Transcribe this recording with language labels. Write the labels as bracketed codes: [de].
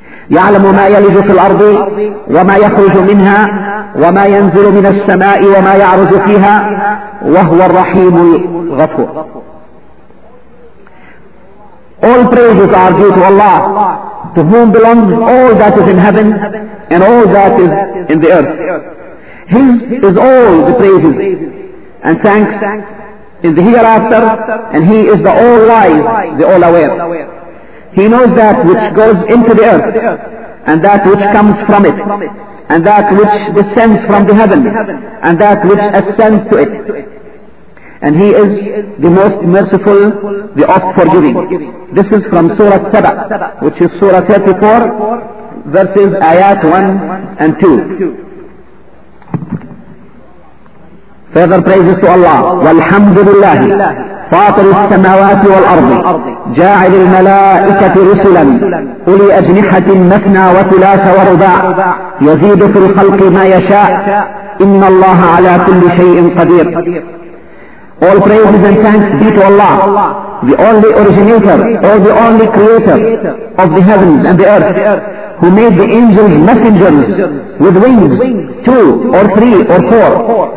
[ar] يعلم ما يلج في الأرض وما يخرج منها وما ينزل من السماء وما يعرج فيها وهو الرحيم الغفور. [en] All praises are due to Allah, to whom belongs all that is in heaven and all that is in the earth. His is all the praises and thanks in the hereafter, and He is the all wise, the all aware. He knows that which goes into the earth, and that which comes from it, and that which descends from the heaven, and that which ascends to it. And He is the most merciful, the oft forgiving. This is from Surah Saba, which is Surah 34, verses Ayat 1 and 2. Further praises to Allah. Walhamdulillahi. [ar] فاطر السماوات والأرض جاعل الملائكة رسلا أولي أجنحة مثنى وثلاث ورباع يزيد في الخلق ما يشاء إن الله على كل شيء قدير. [en] All praises and thanks be to Allah, the only originator or the only creator of the heavens and the earth, who made the angels messengers with wings, two or three or four.